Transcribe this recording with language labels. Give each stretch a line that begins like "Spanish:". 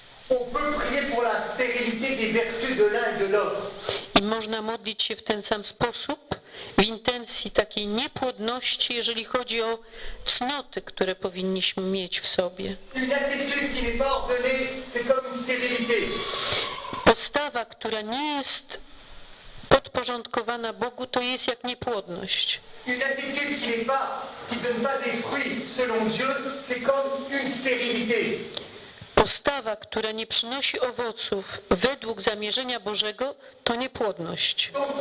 French: On peut prier pour la stérilité des vertus de l'un et de l'autre.
Polish: I można modlić się w ten sam sposób, w intencji takiej niepłodności, jeżeli chodzi o cnoty, które powinniśmy mieć w sobie.
French: Une attitude qui n'est pas ordonnée, c'est comme une stérilité.
Polish: Postawa, która nie jest podporządkowana Bogu, to jest jak niepłodność.
French: Une attitude qui n'est pas, qui ne donne pas des fruits selon Dieu, c'est comme une stérilité.
Polish: Postawa, która nie przynosi owoców według zamierzenia Bożego, to niepłodność.